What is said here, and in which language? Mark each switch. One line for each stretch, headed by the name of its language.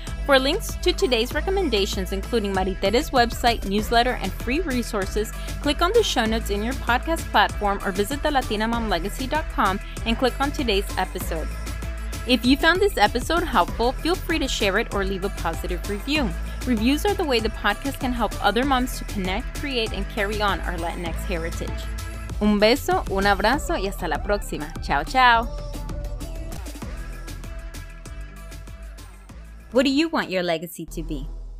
English: For links to today's recommendations, including Maritere's website, newsletter, and free resources, click on the show notes in your podcast platform or visit thelatinamomlegacy.com and click on today's episode. If you found this episode helpful, feel free to share it or leave a positive review. Reviews are the way the podcast can help other moms to connect, create, and carry on our Latinx heritage.
Spanish: Un beso, un abrazo y hasta la próxima. Chao, chao.
English: What do you want your legacy to be?